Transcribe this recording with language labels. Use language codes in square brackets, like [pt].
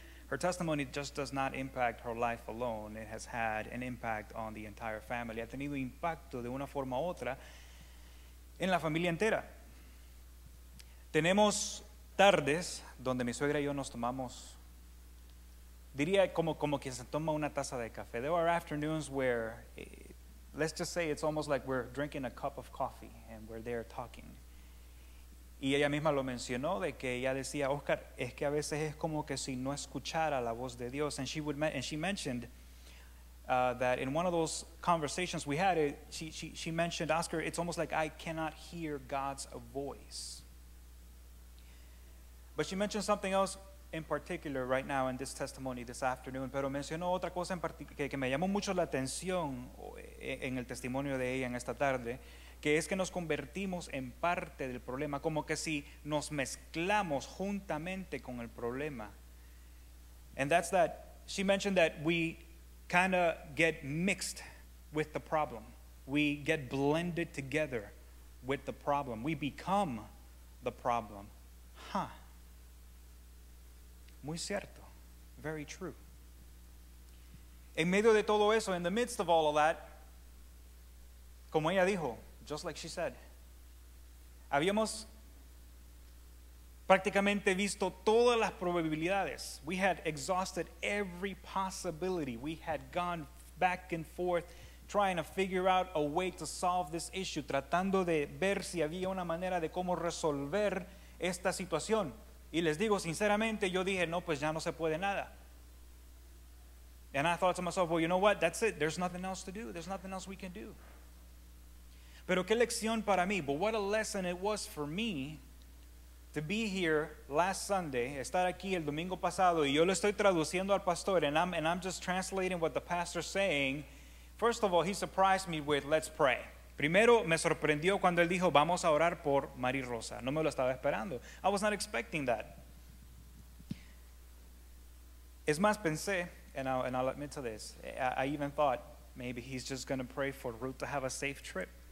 [en] Her testimony just does not impact her life alone. It has had an impact on the entire family. [es] Ha tenido impacto de una forma u otra en la familia entera. Tenemos tardes donde mi suegra y yo nos tomamos, diría como que se toma una taza de café. [en] There are afternoons where, let's just say it's almost like we're drinking a cup of coffee and we're there talking. [es] Y ella misma lo mencionó, de que ella decía, Oscar, es que a veces es como que si no escuchara la voz de Dios. [en] And she mentioned that in one of those conversations we had, she mentioned, Oscar, it's almost like I cannot hear God's voice. But she mentioned something else in particular right now in this testimony this afternoon. [es] Pero mencionó otra cosa en que me llamó mucho la atención en el testimonio de ella en esta tarde, que es que nos convertimos en parte del problema, como que si nos mezclamos juntamente con el problema. [en] And that's that, she mentioned that we kind of get mixed with the problem. We get blended together with the problem. We become the problem. Huh. [es] Muy cierto. [en] Very true. [es] En medio de todo eso, [en] in the midst of all of that, [es] como ella dijo, [en] just like she said, [es] habíamos prácticamente visto todas las probabilidades. [en] We had exhausted every possibility. We had gone back and forth trying to figure out a way to solve this issue, [es] tratando de ver si había una manera de cómo resolver esta situación. Y les digo sinceramente, yo dije, no, pues ya no se puede nada. [en] And I thought to myself, well, you know what? That's it. There's nothing else to do. There's nothing else we can do. [es] Pero qué lección para mí, [en] but what a lesson it was for me to be here last Sunday, [es] estar aquí el domingo pasado, y yo le estoy traduciendo al pastor, [en] and I'm just translating what the pastor's saying. First of all, he surprised me with, let's pray. [es] Primero, me sorprendió cuando él dijo, vamos a orar por Mari Rosa. No me lo estaba esperando. [en] I was not expecting that. [es] Es más, pensé, [en] and I'll admit to this, I even thought, maybe he's just going to pray for Ruth to have a safe trip.